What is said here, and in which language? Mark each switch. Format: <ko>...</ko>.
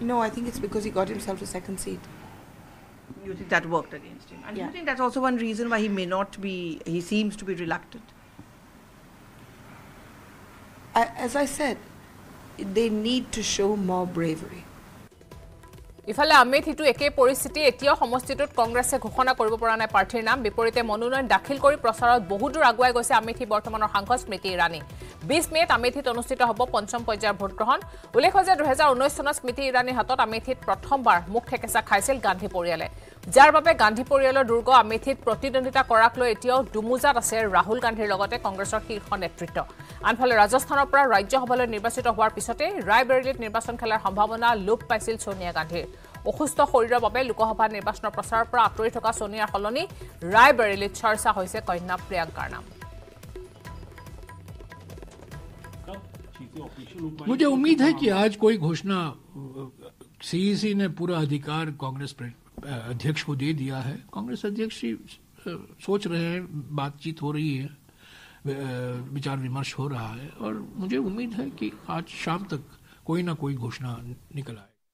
<en>No, I think it's because he got himself a second seat. You think that worked against him? And yeah. You think that's also one reason why he may not be, he seems to be reluctant? As I said, they need to show more bravery.</en> <as>ইফালে আমেথিটো একেই পরিস্থিতি, এতিয়াও সমষ্টিটোত কংগ্রেসে ঘোষণা কৰিব পৰা নাই প্রার্থীর নাম। বিপরীতে মনোনয়ন দাখিল কৰি প্ৰচাৰত বহুদূৰ আগুৱাই গৈছে আমেথি বৰ্তমানৰ সাংসদ স্মৃতি ইৰাণী। 20 মে'ত আমেথিত অনুষ্ঠিত হ'ব পঞ্চম পৰ্যায়ৰ ভোটগ্ৰহণ। উল্লেখ্য যে 2019 চনত স্মৃতি ইৰাণীৰ হাতত আমেথিত প্ৰথমবাৰ মুখ ঠেকেচা খাইছিল গান্ধী পৰিয়ালে, যাৰ বাবে গান্ধী পৰিয়ালৰ দুৰ্গ আমেথিত প্ৰতিদ্বন্দ্বিতা কৰাক লৈ এতিয়াও দুমোজাত আছে ৰাহুল গান্ধীৰ লগতে কংগ্ৰেছৰ শীৰ্ষ নেতৃত্ব। আনফালে ৰাজস্থানৰ পৰা ৰাজ্যসভালৈ নিৰ্বাচিত হোৱাৰ পিছতে ৰায় বেৰেলীত নিৰ্বাচন খেলাৰ সম্ভাৱনা লোপ পাইছিল ছোনিয়া গান্ধীৰ। অসুস্থ শৰীৰৰ বাবে লোকসভা নিৰ্বাচনৰ প্ৰচাৰৰ পৰা আঁতৰি থকা ছোনিয়াৰ সলনি ৰায় বেৰেলীত চৰ্চা হৈছে কন্যা প্ৰিয়ংকাৰ নাম।</as> <hi>मुझे उम्मीद है कि आज कोई घोषणा, सीईसी ने पूरा अधिकार कांग्रेस अध्यक्ष को दे दिया है, कांग्रेस अध्यक्ष ही सोच रहे हैं, बातचीत हो रही है, विचार विमर्श हो रहा है, और मुझे उम्मीद है कि आज शाम तक कोई ना कोई घोषणा निकल आए।</hi>